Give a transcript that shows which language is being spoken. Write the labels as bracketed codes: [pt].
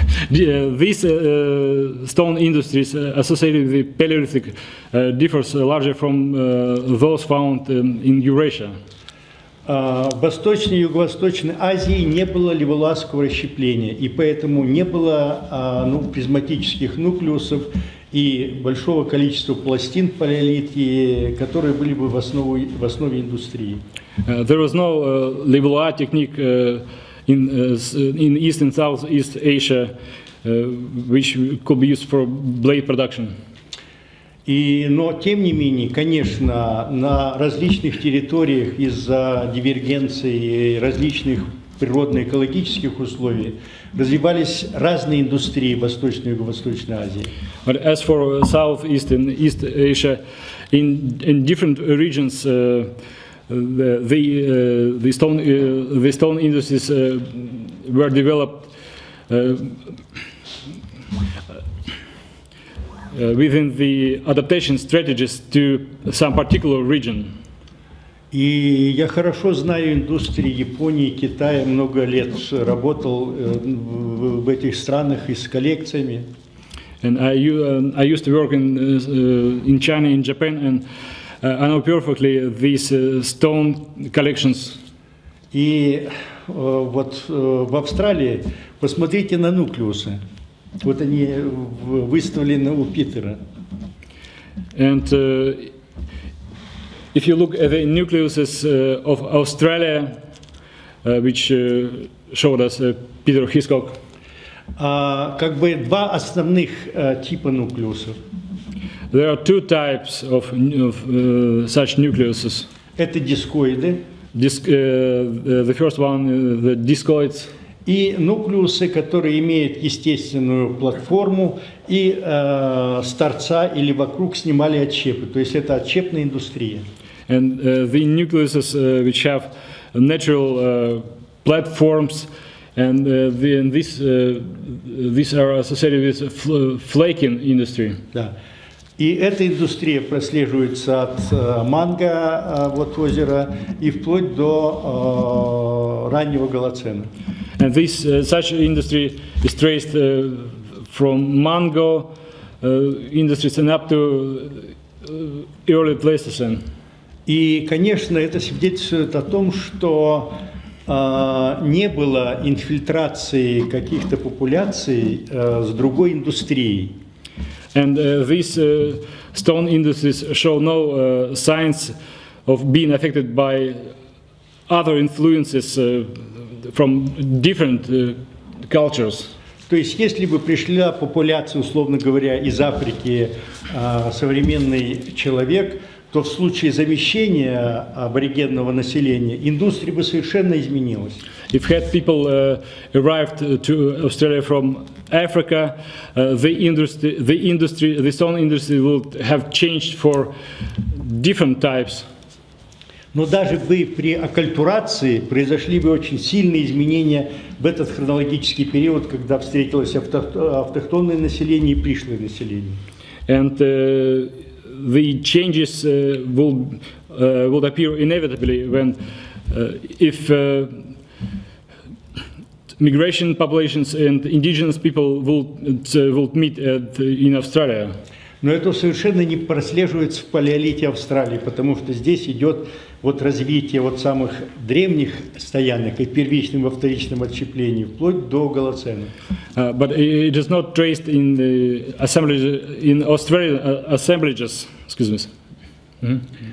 [en] These stone industries associated with the Paleolithic differs largely from those found in Eurasia. [ru] В Восточной и Юго-Восточной Азии не было леволазского расщепления, и поэтому не было призматических нуклеусов и большого количества пластин палеолита, которые были бы в основе индустрии. [en] There was no levola technique in East and Southeast Asia, which could be used for blade production. [ru] Но тем не менее, конечно, на различных территориях из-за дивергенции различных природно-экологических условий развивались разные индустрии Восточной и Юго-Восточной Азии. [en] But as for Southeast and East Asia, in different regions, the stone industries were developed. Within the adaptation strategies to some particular region. [ru] И я хорошо знаю индустрии Японии, Китая, много лет работал в этих странах и с коллекциями. [en] And I used to work in China, in Japan, and I know perfectly these stone collections. [ru] И вот в Австралии посмотрите на нуклеусы. Вот они выставлены у Питера. [en] And if you look at the nucleuses of Australia, which showed us Peter Hiscock. [ru] Как бы два основных типа нуклеусов. [en] There are two types of such nucleuses. [ru] Это дискоиды. [en] The first one, the discoids. [ru] И нуклеусы, которые имеют естественную платформу и с торца или вокруг снимали отщепы. То есть это отщепная индустрия. [en] And the nucleuses which have natural platforms and these are associated with flaking industry. [ru] Да. И эта индустрия прослеживается от манго вот озера и вплоть до раннего голоцена. [en] And this such industry is traced from mango industries and up to early Pleistocene. [ru] И, конечно, это свидетельствует о том, что не было инфильтрации каких-то популяций с другой индустрией. [en] And these stone industries show no signs of being affected by other influences from different cultures. [ru] То есть, если бы пришла популяция, условно говоря, из Африки, современный человек, то в случае замещения аборигенного населения индустрия бы совершенно изменилась. [en] If had people arrived to Australia from Africa, the stone industry would have changed for different types. [ru] Но даже бы при оккультурации произошли бы очень сильные изменения в этот хронологический период, когда встретилось автохтонное население и пришлое население. [en] And the changes would appear inevitably when if migration populations and indigenous people would meet in Australia. [ru] Но это совершенно не прослеживается в палеолите Австралии, потому что здесь идет вот развитие вот самых древних стоянок и первичным и вторичным отщеплений вплоть до голоцена. [en] But it is not traced in the assemblages in Australian assemblages, excuse me.